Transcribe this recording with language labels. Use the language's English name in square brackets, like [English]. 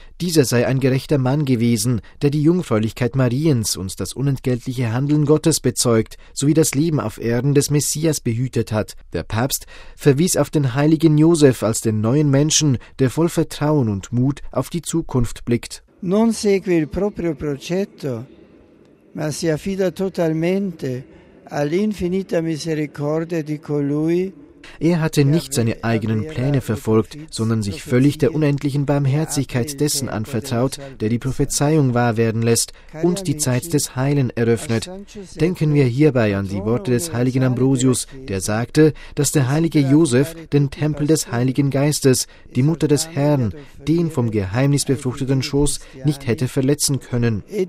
[German] Dieser sei ein gerechter Mann gewesen, der die Jungfräulichkeit Mariens und das unentgeltliche Handeln Gottes bezeugt sowie das Leben auf Erden des Messias behütet hat. Der Papst verwies auf den heiligen Josef als den neuen Menschen, der voll Vertrauen und Mut auf die Zukunft blickt. [Italian] Non segue il proprio progetto, ma si affida totalmente all'infinita misericordia di colui. [German] Er hatte nicht seine eigenen Pläne verfolgt, sondern sich völlig der unendlichen Barmherzigkeit dessen anvertraut, der die Prophezeiung wahr werden lässt und die Zeit des Heilen eröffnet. Denken wir hierbei an die Worte des heiligen Ambrosius, der sagte, dass der heilige Josef den Tempel des Heiligen Geistes, die Mutter des Herrn, den vom Geheimnis befruchteten Schoß nicht hätte verletzen können.